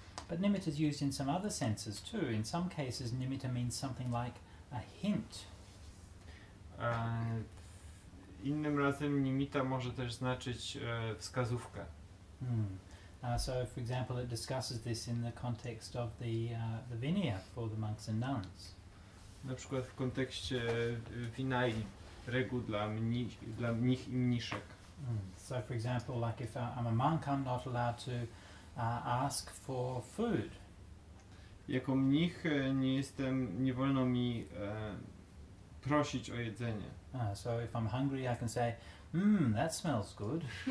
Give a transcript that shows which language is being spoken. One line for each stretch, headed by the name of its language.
English: But nimitta is used in some other senses too. In some cases nimitta means something like a hint.
Polish: Innym razem nimitta może też znaczyć wskazówkę. Mm.
English: So for example it discusses this in the context of the vinaya for the monks and nuns.
Polish: Na przykład w kontekście vinai, reguł dla mnich i mniszek. Mm.
English: So for example like if I'm a monk I'm not allowed to ask for food.
Polish: Jako mnich nie jestem, nie wolno mi prosić o jedzenie.
English: So if I'm hungry I can say that smells good.